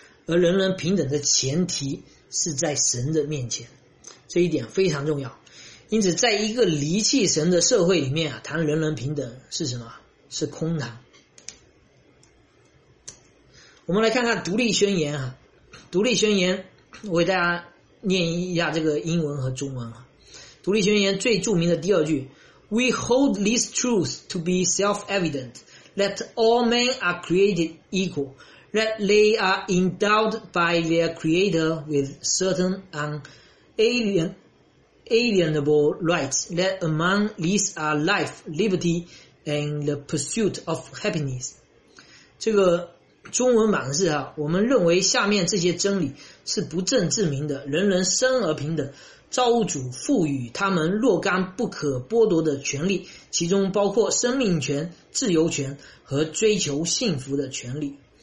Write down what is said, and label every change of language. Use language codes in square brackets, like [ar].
[zh] 而人人平等的前提是在神的面前，这一点非常重要。因此在一个离弃神的社会里面啊，谈人人平等是什么？是空谈。我们来看看独立宣言啊，独立宣言我给大家念一下这个英文和中文啊。独立宣言最著名的第2句， [en] We hold this truth to be self-evident, that all men are created equal,that they are endowed by their creator with certain unalienable rights, that among these are life, liberty, and the pursuit of happiness. [zh] 这个中文版是啊，我们认为下面这些真理是不证自明的，人人生而平等，造物主赋予他们若干不可剥夺的权利，其中包括生命权、自由权和追求幸福的权利。